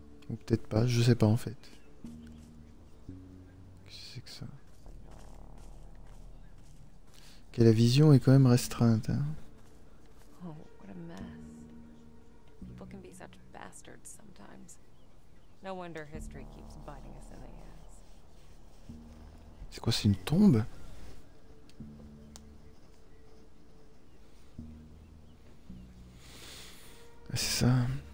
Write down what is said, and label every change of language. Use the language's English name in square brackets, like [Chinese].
[French] Ou peut-être pas, je sais pas en fait. Qu'est-ce que c'est que ça? Ok, la vision est quand même restreinte. Hein. [English] Oh, what a mess. People can be such bastards sometimes. No wonder history keeps biting us in the ass. [French] C'est quoi, c'est une tombe? Ah, c'est ça.